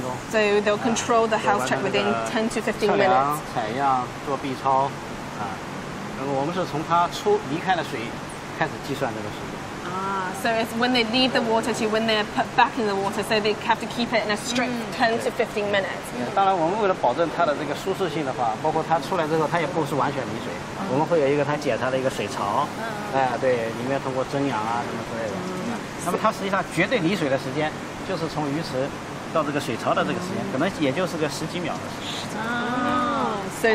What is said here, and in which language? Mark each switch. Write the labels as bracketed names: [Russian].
[English] So they'll control the health check within 10 to 15 minutes. [Chinese] 测量、采样、做 B 超，那么我们是从它出离开了水开始计算这个时间。 [English] So it's when they leave the water to when they're put back in the water, so they have to keep it in a strict 10 to 15 minutes. [Chinese] 当然，我们为了保证它的这个舒适性的话，包括它出来之后，它也不是完全离水，我们会有一个它检查的一个水槽。对，里面通过蒸氧啊什么之类的。那么它实际上绝对离水的时间，就是从鱼池到这个水槽的这个时间，可能也就是个十几秒的时间。